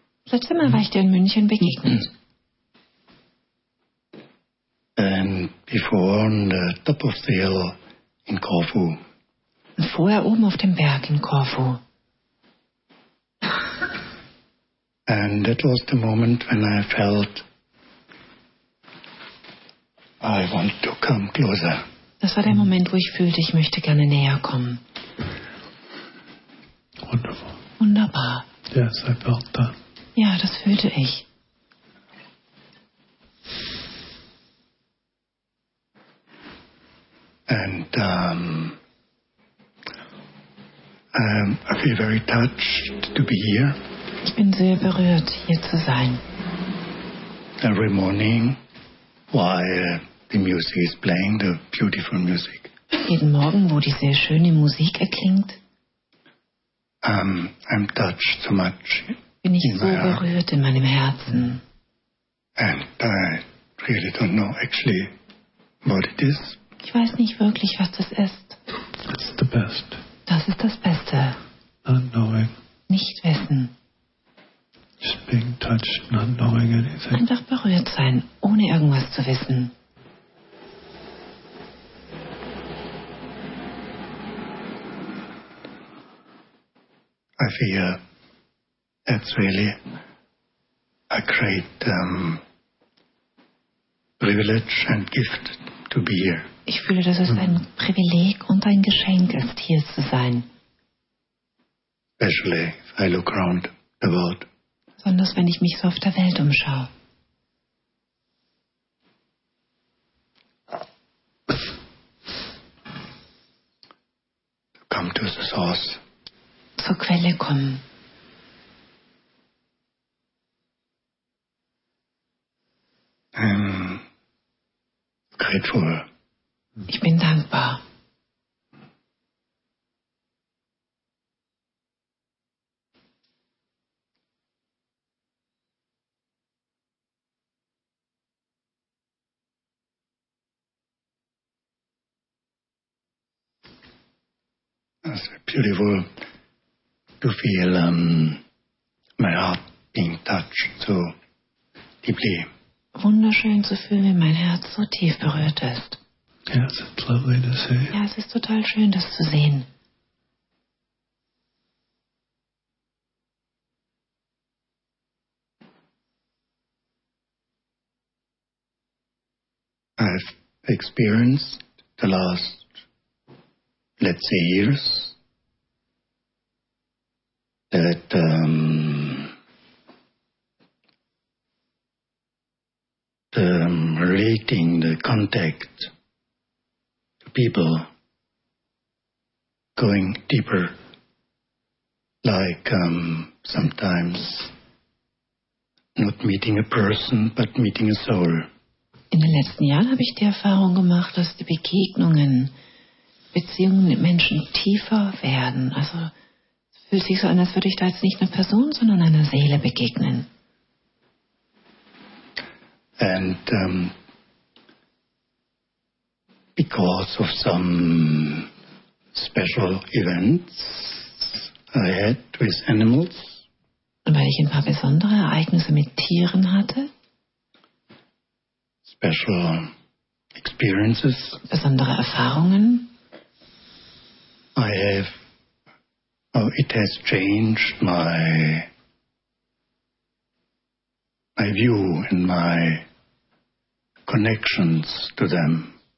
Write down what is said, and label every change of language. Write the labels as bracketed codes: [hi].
[de] Letztes Mal war ich dir in München begegnet. [en] And before on the top of the hill in Corfu. [de] Und vorher oben auf dem Berg in Corfu. [en] And that was the moment when I felt I want to come closer. [de] Das war der Moment, wo ich fühlte, ich möchte gerne näher kommen. [en] Wonderful. [de] Wunderbar. [en] Yes, I felt that. [de] Ja, das fühlte ich. [en] And I feel very touched to be here. [de] Ich bin sehr berührt, hier zu sein. [en] Every morning, while the music is playing, the beautiful music. [de] Jeden Morgen, wo die sehr schöne Musik erklingt. [en] I'm touched so much. [de] Bin ich so berührt in meinem Herzen. [en] And I really don't know actually what it is. [de] Ich weiß nicht wirklich, was das ist. [en] It's the best. [de] Das ist das Beste. [en] Not knowing. [de] Nicht wissen. [en] Just being touched, not knowing anything. [de] Einfach berührt sein, ohne irgendwas zu wissen. [en] I feel that's really a great privilege and gift to be here. [de] Ich fühle, dass es ein Privileg und ein Geschenk ist, hier zu sein. [en] Especially if I look around the world. [de] Besonders wenn ich mich so auf der Welt umschaue. [en] Come to the source. [de] Zur Quelle kommen. [en] Grateful. [de] Ich bin dankbar. [en] It's beautiful to feel my heart being touched so deeply. [de] Wunderschön zu fühlen, wie mein Herz so tief berührt ist. [en] Yes, it's lovely to see. [de] Ja, es ist total schön, das zu sehen. [en] I've experienced the last, let's say, years that the relating, the contact to people going deeper, like sometimes not meeting a person but meeting a soul. [de] In den letzten Jahren habe ich die Erfahrung gemacht, dass die Begegnungen, Beziehungen mit Menschen tiefer werden. Also es fühlt sich so an, als würde ich da jetzt nicht einer Person, sondern einer Seele begegnen. [en] And because of some special events I had with animals. [de] Weil ich ein paar besondere Ereignisse mit Tieren hatte. [en] Special experiences. [de] Besondere Erfahrungen. [en] I have. Oh, it has changed my view and my connections to them.